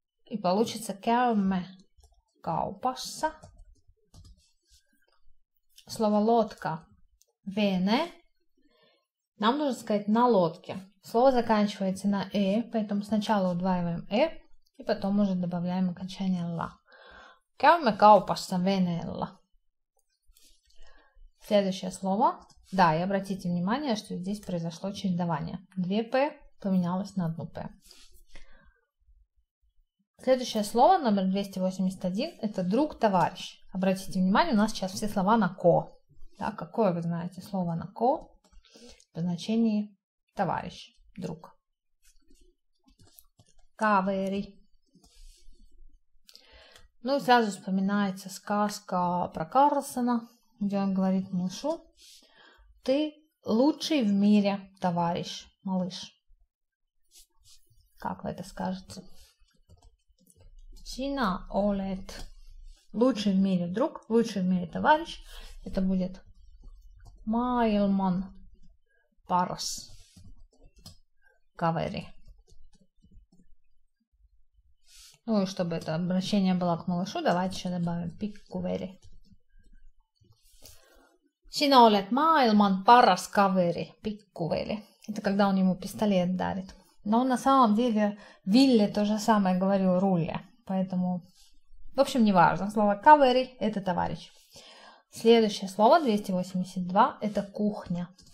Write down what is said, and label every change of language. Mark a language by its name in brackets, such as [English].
[Russian] И получится [Finnish] käymme kaupassa. [Russian] Слово лодка vene. Нам нужно сказать на лодке. Слово заканчивается на e, поэтому сначала удваиваем e, и потом уже добавляем окончание la. [Finnish] Käymme kaupassa veneellä. [Russian] Следующее слово. Да, и обратите внимание, что здесь произошло чередование. Две «п» поменялось на одну «п». Следующее слово, номер 281, это «друг-товарищ». Обратите внимание, у нас сейчас все слова на «ко». Да, какое вы знаете слово на «ко» в значении «товарищ», «друг». «Кавери». Ну и сразу вспоминается сказка про Карлсона, где он говорит малышу: ты лучший в мире товарищ, малыш. Как вы это скажете? [Finnish] Сина олет. [Russian] Лучший в мире друг, лучший в мире товарищ. Это будет [Finnish] майлман парас кавери. [Russian] Ну и чтобы это обращение было к малышу, давайте еще добавим пиккувери. [Finnish] Sinä olet maailman paras kaveri, pikkuveli. [Russian] Это когда он ему пистолет дарит. Но на самом деле Вилле то же самое говорил Руле. Поэтому, в общем, не важно. Слово кавери – это товарищ. Следующее слово, 282, это кухня.